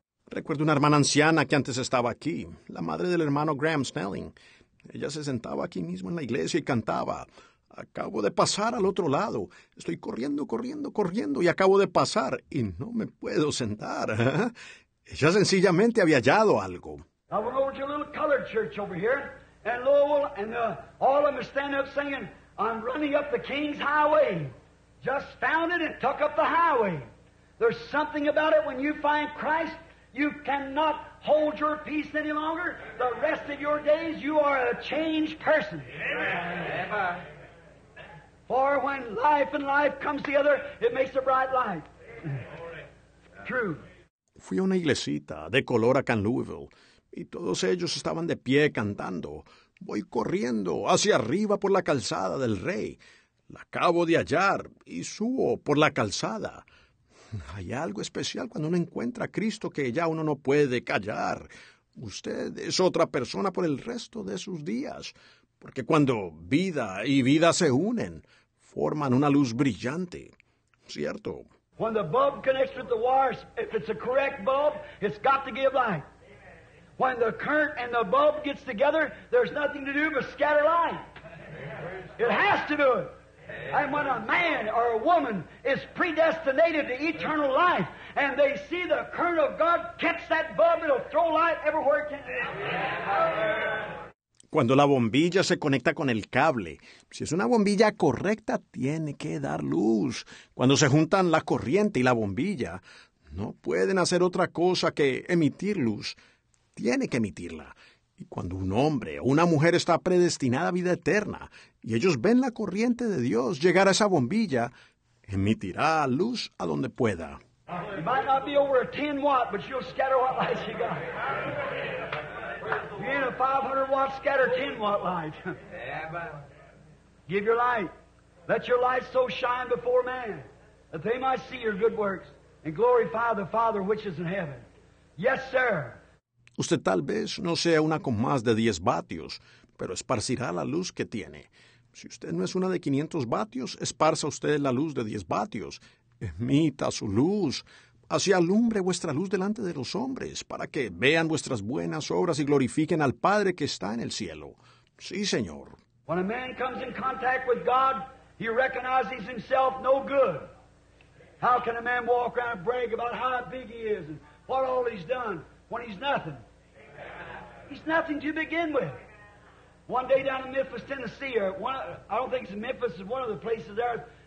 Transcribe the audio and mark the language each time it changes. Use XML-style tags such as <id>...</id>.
<es>Recuerdo una hermana anciana que antes estaba aquí, la madre del hermano Graham Snelling. Ella se sentaba aquí mismo en la iglesia y cantaba, acabo de pasar al otro lado. Estoy corriendo, corriendo, corriendo y acabo de pasar y no me puedo sentar. Ella sencillamente había hallado algo.</es> <en>I went over to a little colored church over here and Lowell and all of them stand up singing, I'm running up the King's Highway. Just found it and took up the highway. There's something about it when you find Christ. You cannot hold your peace any longer. The rest of your days, you are a changed person. Amen. For when life and life comes together, it makes a bright light. True.</en> <es>Fui a una iglesita de color acá en Louisville, y todos ellos estaban de pie cantando. Voy corriendo hacia arriba por la calzada del rey. La acabo de hallar y subo por la calzada. Hay algo especial cuando uno encuentra a Cristo que ya uno no puede callar. Usted es otra persona por el resto de sus días. Porque cuando vida y vida se unen, forman una luz brillante. ¿Cierto?</es> <en>When the bulb connects with the wires, if it's a correct bulb, it's got to give light. When the current and the bulb gets together, there's nothing to do but scatter light. It has to do it. And when a man or a woman is predestinated to eternal life and they see the current of God catch that bulb, it'll throw light everywhere it can.</en> <es>Cuando la bombilla se conecta con el cable, si es una bombilla correcta, tiene que dar luz. Cuando se juntan la corriente y la bombilla, no pueden hacer otra cosa que emitir luz. Tiene que emitirla. Y cuando un hombre o una mujer está predestinada a vida eterna y ellos ven la corriente de Dios llegar a esa bombilla, emitirá luz a donde pueda.</es> <en>It might not be over a 10 watt, but you'll scatter what lights you got. You ain't a 500 watt, scatter 10 watt light. Give your light. Let your light so shine before man that they might see your good works and glorify the Father which is in heaven. Yes, sir.</en> <es>Usted tal vez no sea una con más de 10 vatios, pero esparcirá la luz que tiene. Si usted no es una de 500 vatios, esparza usted la luz de 10 vatios. Emita su luz. Así alumbre vuestra luz delante de los hombres, para que vean vuestras buenas obras y glorifiquen al Padre que está en el cielo. Sí, Señor.</es> <en>When a man comes in contact with God, he recognizes himself no good. How can a man walk around and brag about how big he is and what all he's done? When he's nothing. He's nothing to begin with. One day down in Memphis, Tennessee, or one, I don't think it's in Memphis, it's one of the places there.</en>